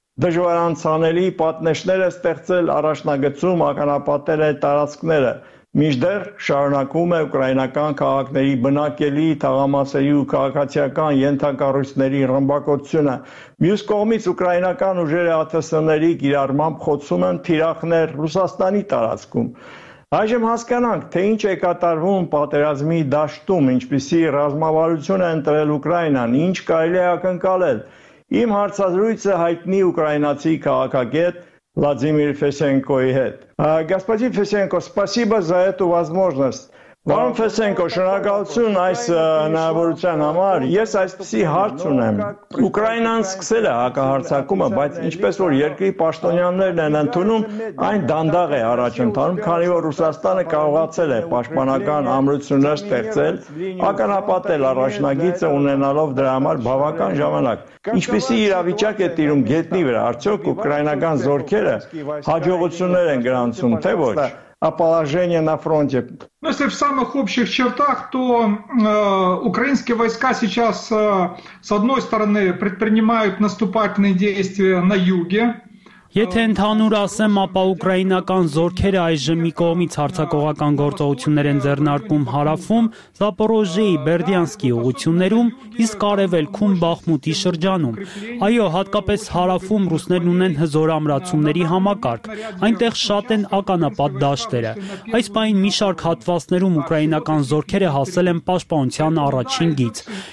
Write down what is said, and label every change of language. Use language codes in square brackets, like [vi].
[hy] դժվարանցանելի պատնեշները ստեղծել առաջնագծում ականապատել է տարածքները, միջդեռ շարունակվում է ուկրաինական քաղաքների բնակելի թաղամասերի ու քաղաքացիական ենթակառույցների ռմբակոծությունը, մյուս կողմից ուկրաինական ուժերը ԱԹՍ-ների կիրառմամբ խոցում են թիրախներ Ռուսաստանի տարածքում։ Այժմ հասկանանք, թե ինչ է կատարվում պատերազմի դաշտում, ինչպիսի ռազմավարություն է ընտրել Ուկրաինան, ինչ կարելի է ակնկալել։ Իմ հարցազրույցը հայտնի ուկրաինացի քաղաքագետ Владимир Фесенко и хет. [ru] Господин Фесенко, спасибо за эту возможность. [hy] Պարոն Ֆեսենկո, շնորհակալություն այս հնարավորության համար։ Ես այսպեսի հարց ունեմ. Ուկրաինան սկսել է հակահարձակումը, բայց ինչպես որ երկրի պաշտոնյաներն են ընդունում, այն դանդաղ է առաջ ընթանում, քանի որ Ռուսաստանը կարողացել է պաշտպանական ամրություններ ստեղծել, ականապատել առաջնագիծը ունենալով դրա համար բավական ժամանակ։ Ինչպեսի իրավիճակ է տիրում գետնի վրա, արդյոք ուկրաինական զորքերը հաջողություններ են գրանցում, թե ոչ։ [ru] О положении на фронте. Ну, если в самых общих чертах, то украинские войска сейчас, с одной стороны, предпринимают наступательные действия на юге. [hy] Եթե ընդհանուր ասեմ, ապա ուկրաինական զորքերը այժմ մի կողմից հարձակողական գործողություններ են ձեռնարկում Հարավում, Զապորոժիի, Բերդյանսկի ուղություններում, իսկ արևելքում Բախմուտի շրջանում։ Այո, հատկապես Հարավում ռուսներն ունեն հզոր ամրացումների համակարգ, այնտեղ շատ են ականապատ դաշտերը։ Այս պահին մի շարք հատվածներում ուկրաինական զորքերը հասել են պաշտպանության առաջին գիծ,